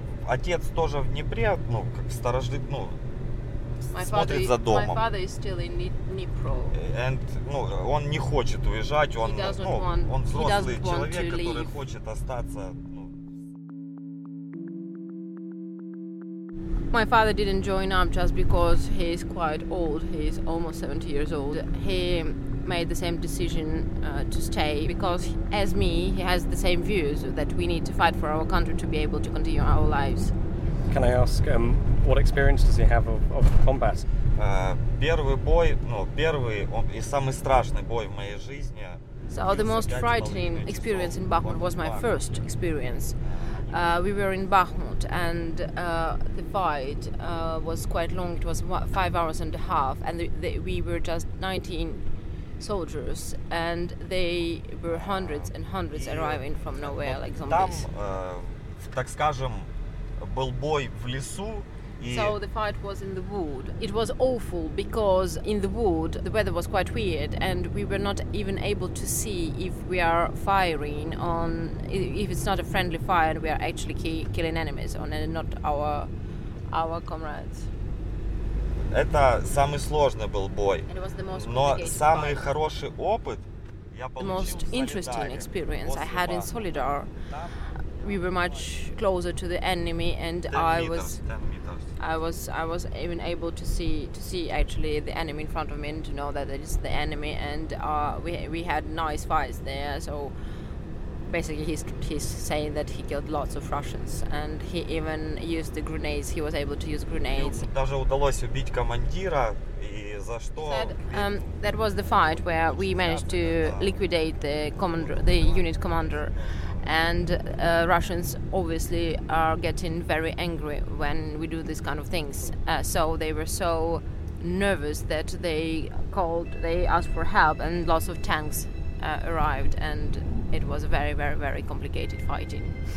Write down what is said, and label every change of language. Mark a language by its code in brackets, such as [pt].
[ru] Отец тоже в Днепре, ну, как старожит, ну, смотрит за домом. [en] My father is still in Dnipro. [ru] And, ну, он не хочет уезжать, он взрослый человек, который хочет остаться. [en] My father didn't join up just because he's quite old. He's almost 70 years old. He made the same decision to stay because, as me, he has the same views that we need to fight for our country to be able to continue our lives. Can I ask what experience does he have of combat? [ru] Первый бой, ну первый, он и самый страшный бой в моей жизни. [en] So the most frightening experience in Bakhmut was my first experience. We were in Bakhmut, and the fight was quite long. It was 5 hours and a half, and we were just 19 soldiers, and they were hundreds and hundreds arriving from nowhere, like zombies. [ru] Там, так скажем, был бой в лесу. [en] So the fight was in the wood. It was awful because in the wood the weather was quite weird and we were not even able to see if we are firing on, if it's not a friendly fire and we are actually killing enemies on and not our comrades. [ru] Это самый сложный был бой. [en] And it was the most complicated. [ru] самый хороший опыт я получил. [en] The most interesting experience I had in Solidar. We were much closer to the enemy and I was even able to see actually the enemy in front of me and to know that it is the enemy, and we had nice fights there. So basically he's saying that he killed lots of Russians, and he even used the grenades. He was able to use grenades. [ru] Даже удалось убить командира, и за что? [en] That was the fight where we managed to liquidate the commander, the unit commander. And Russians obviously are getting very angry when we do these kind of things. So they were so nervous that they asked for help, and lots of tanks arrived, and it was a very, very, very complicated fighting.